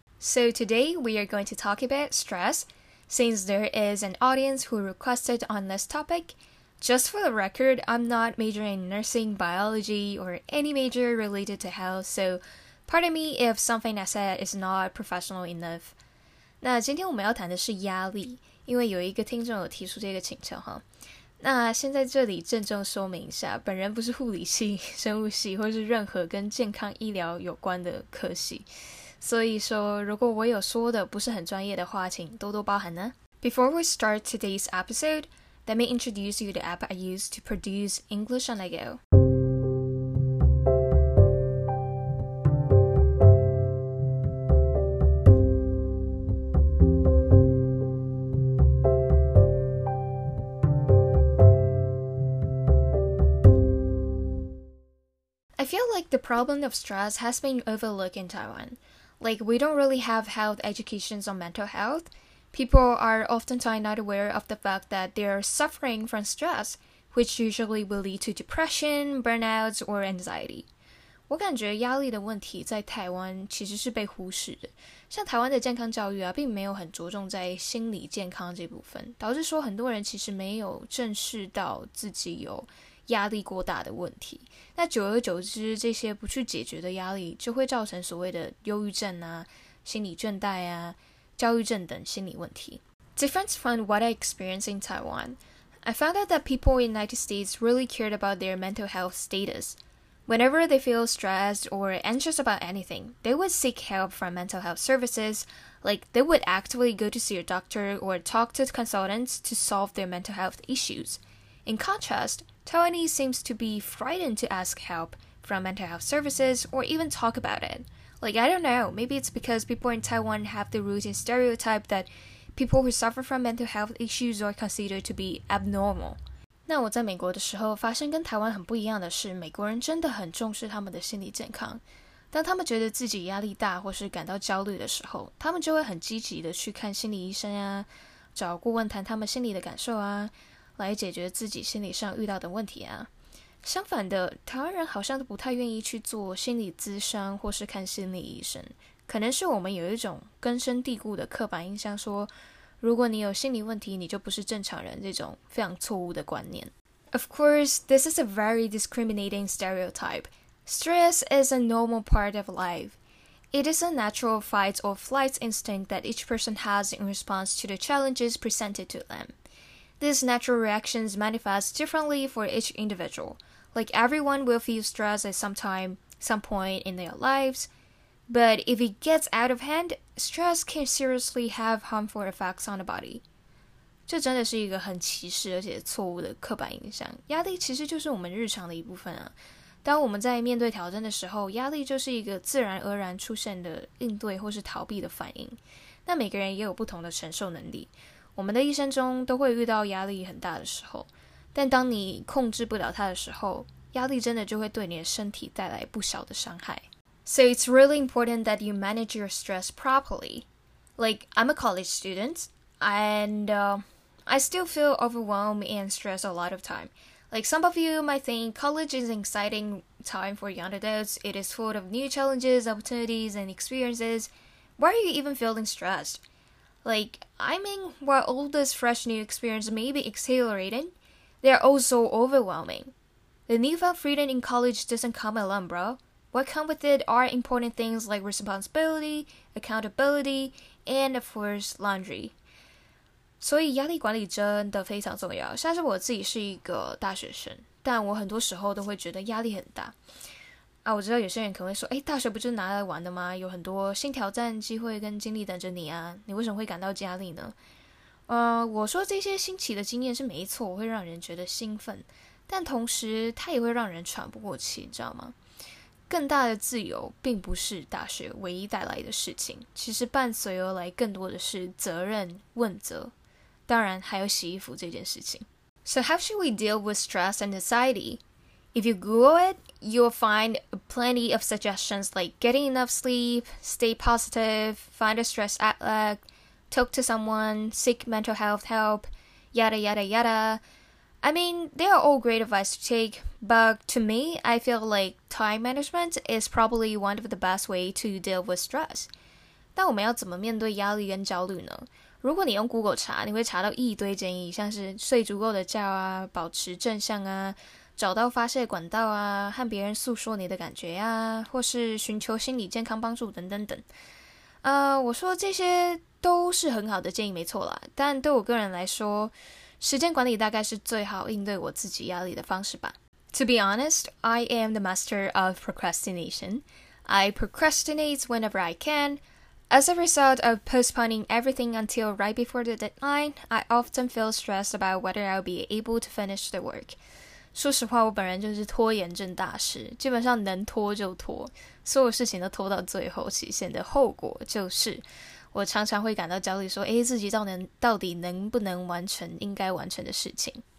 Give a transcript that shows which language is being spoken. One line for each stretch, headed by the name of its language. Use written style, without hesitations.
English: So today we are going to talk about stress, since there is an audience who requested on this topic. Just for the record, I'm not majoring in nursing, biology, or any major related to health, so pardon me if something I said is not professional enough.
Chinese: 那今天我们要谈的是压力，因为有一个听众有提出这个请求哈。那先在这里郑重说明一下，本人不是护理系、生物系或是任何跟健康医疗有关的科系，所以说如果我有说的不是很专业的话，请多多包涵呢。
English: Before we start today's episode, let me introduce you the app I use to produce English on the Go. The problem of stress has been overlooked in Taiwan. Like, we don't really have health educations on mental health. People are oftentimes not aware of the fact that they are suffering from stress, which usually will lead to depression, burnouts, or anxiety.
Chinese: 我感觉压力的问题在台湾其实是被忽视的。像台湾的健康教育啊，并没有很着重在心理健康这部分，导致说很多人其实没有正视到自己有压力过大的问题，那久而久之，这些不去解决的压力就会造成所谓的忧郁症啊、心理倦怠啊、焦虑症等心理问题。
English: Difference from what I experienced in Taiwan, I found out that people in the United States really cared about their mental health status. Whenever they feel stressed or anxious about anything, they would seek help from mental health services, like they would actively go to see a doctor or talk to consultants to solve their mental health issues. In contrast,Taiwanese seems to be frightened to ask help from mental health services or even talk about it. Like, I don't know, maybe it's because people in Taiwan have the rooting stereotype that people who suffer from mental health issues are considered to be abnormal.
Chinese: 那我在美国的时候发现跟台湾很不一样的是，美国人真的很重视他们的心理健康。当他们觉得自己压力大或是感到焦虑的时候，他们就会很积极的去看心理医生啊，找顾问谈他们心理的感受啊，来解决自己心理上遇到的问题啊。相反的，台湾人好像都不太愿意去做心理咨商或是看心理医生，可能是我们有一种根深蒂固的刻板印象，说如果你有心理问题，你就不是正常人，这种非常错误的观念。
English: Of course, this is a very discriminating stereotype. Stress is a normal part of life. It is a natural fight or flight instinct that each person has in response to the challenges presented to them. These natural reactions manifest differently for each individual. Like, everyone will feel stress at some point in their lives. But if it gets out of hand, stress can seriously have harmful effects on the body.
Chinese: 这真的是一个很歧视而且错误的刻板印象。压力其实就是我们日常的一部分啊。当我们在面对挑战的时候，压力就是一个自然而然出现的应对或是逃避的反应。那每个人也有不同的承受能力。我们的一生中都会遇到压力很大的时候，但当你控制不了它的时候，压力真的就会对你的身体带来不小的伤害。
English: So it's really important that you manage your stress properly. Like, I'm a college student, and I still feel overwhelmed and stressed a lot of time. Like, some of you might think college is an exciting time for young adults. It is full of new challenges, opportunities, and experiences. Why are you even feeling stressed? Like, I mean, while all this fresh new experience may be exhilarating, they are also overwhelming. The newfound freedom in college doesn't come alone, bro. What come with it are important things like responsibility, accountability, and of course, laundry.
Chinese: 所以压力管理真的非常重要。像是我自己是一个大学生，但我很多时候都会觉得压力很大。啊，我知道有些人可能会说，大学不就是拿来玩的吗？有很多新挑战、机会跟经历等着你啊，你为什么会感到压力呢？我说这些新奇的经验是没错，会让人觉得兴奋，但同时它也会让人喘不过气，你知道吗？更大的自由并不是大学唯一带来的事情，其实伴随而来更多的是责任、问责，当然还有洗衣服这件事情。
English: So how should we deal with stress and anxiety? If you Google it, you'll find plenty of suggestions like getting enough sleep, stay positive, find a stress outlet, talk to someone, seek mental health help, yada yada yada. I mean, they are all great advice to take, but to me, I feel like time management is probably one of the best way to deal with stress.
Chinese: 但我们要怎么面对压力跟焦虑呢？如果你用 Google 查，你会查到一堆建议，像是睡足够的觉啊，保持正向啊，找到发泄管道啊，和别人诉说你的感觉啊，或是寻求心理健康帮助等等等。我说这些都是很好的建议没错啦，但对我个人来说，时间管理大概是最好应对我自己压力的方式吧。
English: To be honest, I am the master of procrastination. I procrastinate whenever I can. As a result of postponing everything until right before the deadline, I often feel stressed about whether I'll be able to finish the work.
Chinese: 说实话，我本人就是拖延症大师，基本上能拖就拖，所有事情都拖到最后期限的后果就是我常常会感到焦虑说，诶，自己到底能不能完成应该完成的事情。